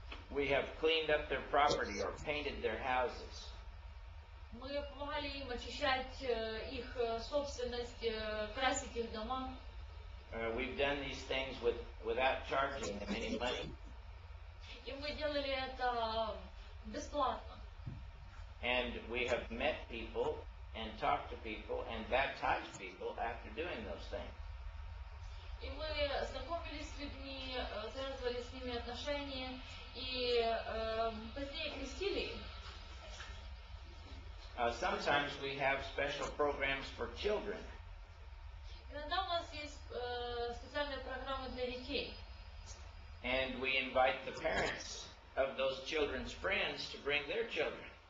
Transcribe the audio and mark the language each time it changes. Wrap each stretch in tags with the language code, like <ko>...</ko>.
<en>We have cleaned up their property or painted their houses.</en> <uk>Ми допомагали їм очищати їх власність, красити їх дома.</uk> <en>We've done these things without charging them any money.</en> <uk>І ми робили це безплатно.</uk> <en>And we have met people and talked to people and baptized people after doing those things.</en> <uk>І ми знайомились з людьми, зав'язували з ними відносини і пізніше хрестили.</uk> <en>Sometimes we have special programs for children.</en> <uk>Іноді у нас є спеціальні програми для дітей.</uk> <en>And we invite the parents of those children's friends to bring their children.</en>